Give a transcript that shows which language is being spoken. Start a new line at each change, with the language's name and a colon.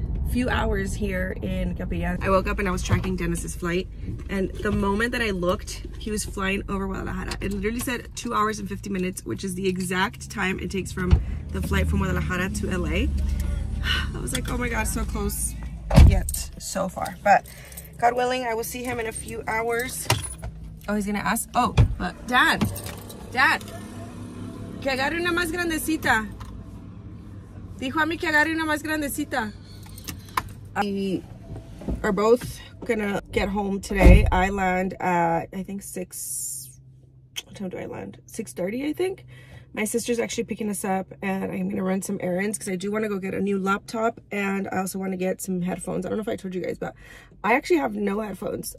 English: Few hours here in Capillas. I woke up and I was tracking Dennis's flight, and the moment that I looked, he was flying over Guadalajara. It literally said 2 hours and 50 minutes, which is the exact time it takes from the flight from Guadalajara to LA. I was like, oh my god, so close yet so far. But God willing, I will see him in a few hours. Oh, he's gonna ask. Oh, but Dad,
Spanish: que agarre una más grandecita. Dijo a mí que agarre una más grandecita.
English: We are both gonna get home today. I land at, I think, 6. What time do I land? 6:30, I think. My sister's actually picking us up, and I'm gonna run some errands because I do want to go get a new laptop, and I also want to get some headphones. I don't know if I told you guys, but I actually have no headphones.